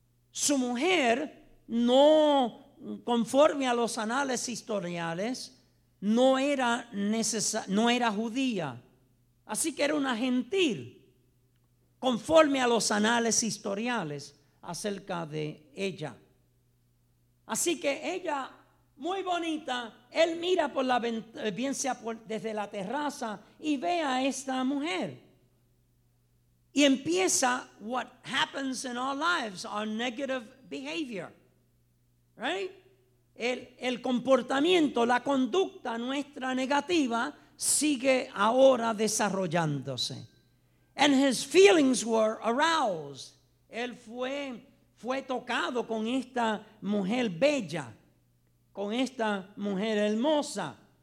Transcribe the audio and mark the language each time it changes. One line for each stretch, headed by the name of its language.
Spanish: Su mujer, no conforme a los anales historiales, no era judía, así que era una gentil, conforme a los anales historiales acerca de ella. Así que ella, muy bonita, él mira por la ventana, desde la terraza, y ve a esta mujer. Y empieza
English: what happens in our lives, our negative behavior, right?
Spanish: El comportamiento, la conducta nuestra negativa sigue ahora desarrollándose.
English: And his feelings were aroused.
Spanish: Él fue tocado con esta mujer bella, con esta mujer hermosa.